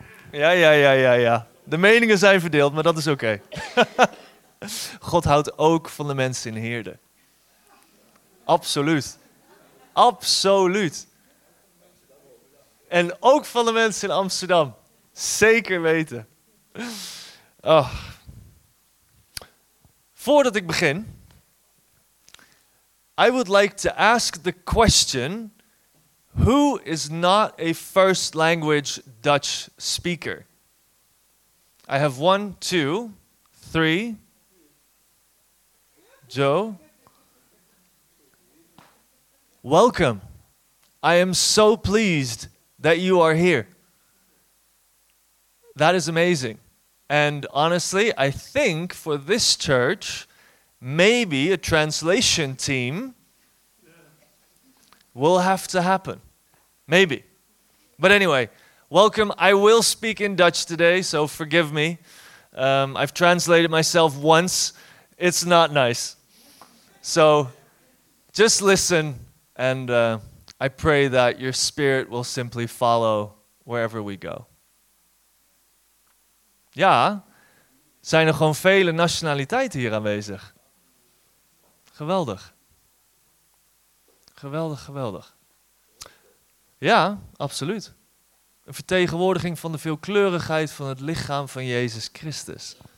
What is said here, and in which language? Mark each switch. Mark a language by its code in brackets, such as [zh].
[nl] Ja. De meningen zijn verdeeld, maar dat is oké. God houdt ook van de mensen in Heerde. Absoluut. Absoluut. En ook van de mensen in Amsterdam. Zeker weten. Oh. Voordat ik begin, [en] I would like to ask the question, who is not a first language Dutch speaker? I have 1, 2, 3. Joe. Welcome. I am so pleased that you are here. That is amazing. And honestly, I think for this church, maybe a translation team will have to happen. Maybe. But anyway, welcome. I will speak in Dutch today, so forgive me. I've translated myself once. It's not nice. So just listen, and I pray that your spirit will simply follow wherever we go. [nl] Ja, zijn er gewoon vele nationaliteiten hier aanwezig? Geweldig. Geweldig, geweldig. Ja, absoluut. Een vertegenwoordiging van de veelkleurigheid van het lichaam van Jezus Christus.